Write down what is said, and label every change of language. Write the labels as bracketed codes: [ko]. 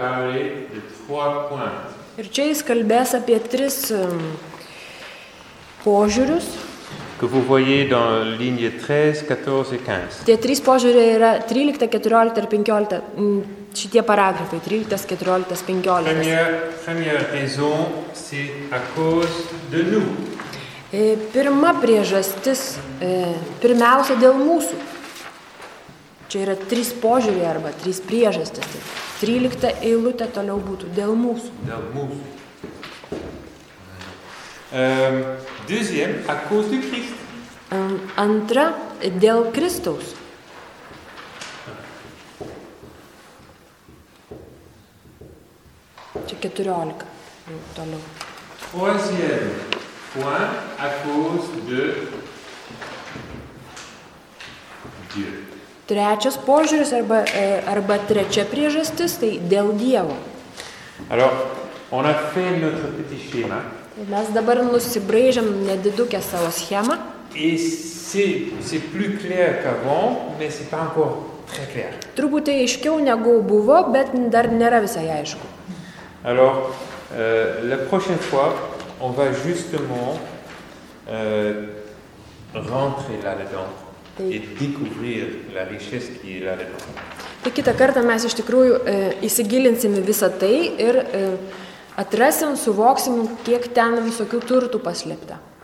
[lt] Ir čia jis kalbės apie tris požiūrius. [fr] Que vous voyez dans ligne 13, 14 et 15. [lt] Tie trys požiūriai yra 13, 14 ir 15. Šitie paragrafai 13, 14, 15. [fr] Première raison, c'est à cause de nous. [lt] Pirma priežastis, pirmiausia dėl mūsų. Čia yra trys požiūriai arba trys priežastis. 13 eilutė toliau būtų dėl mūsų. Dėl mūsų. [fr] Deuxième, à cause du Christ. [lt] Antra, dėl Kristaus. Čia 14. Toliau. [fr] Troisième, point, à cause de [lt] Trečias požiūris arba trečia priežastis, tai dėl Dievo. [fr] Alors, on a fait notre petit schéma. [lt] Mes dabar nusibraižėm nedidukę savo schemą. [fr] Et c'est plus clair qu'avant, mais c'est pas encore très clair. [lt] Turbūt tai aiškiau negu buvo, bet dar nėra visai aišku. [fr] Alors, la prochaine fois, on va justement rentrer là-dedans. Et découvrir la richesse qui est là-dedans. [lt] Tai kitą kartą mes iš tikrųjų įsigilinsim visą tai ir atrasim, suvoksim, kiek ten visokių turtų paslėpta.